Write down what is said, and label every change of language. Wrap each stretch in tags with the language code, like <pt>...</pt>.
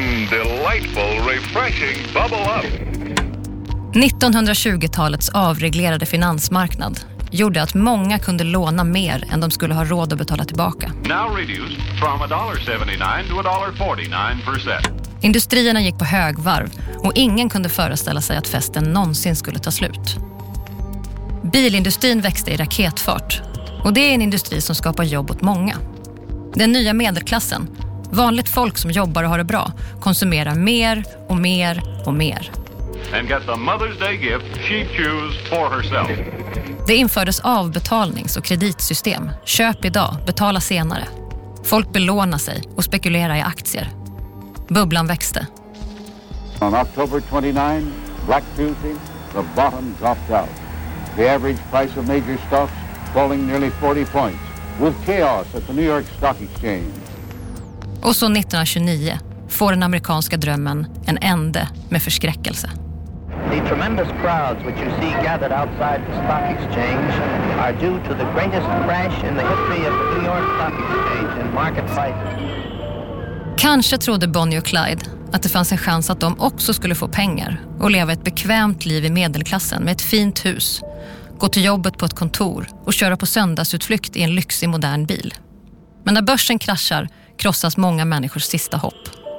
<en>Delightful, refreshing bubble up.</en> <sv>1920-talets avreglerade finansmarknad gjorde att många kunde låna mer än de skulle ha råd att betala tillbaka.</sv> <en>Now reduced from $1.79 to $1.49%.</en> <sv>Industrierna gick på högvarv och ingen kunde föreställa sig att festen någonsin skulle ta slut. Bilindustrin växte i raketfart och det är en industri som skapar jobb åt många. Den nya medelklassen, vanligt folk som jobbar och har det bra, konsumerar mer och mer och mer.</sv> <en>And get the Mother's Day gift she chose for herself.</en> <sv>Det infördes avbetalnings- och kreditsystem. Köp idag, betala senare. Folk belånar sig och spekulerar i aktier. Bubblan växte.</sv> <en>On October 29, Black Tuesday, the bottom dropped out. The average price of major stocks falling nearly 40 points. With chaos at the New York Stock Exchange.</en> <sv>Och så 1929 får den amerikanska drömmen en ände med förskräckelse.</sv> <en>The tremendous crowds which you see gathered outside the stock exchange are due to the greatest crash in the history of the New York Stock Exchange and market prices.</en> <sv>Kanske trodde Bonnie och Clyde att det fanns en chans att de också skulle få pengar och leva ett bekvämt liv i medelklassen med ett fint hus, gå till jobbet på ett kontor och köra på söndagsutflykt i en lyxig modern bil. Men när börsen kraschar krossas många människors sista hopp.</sv>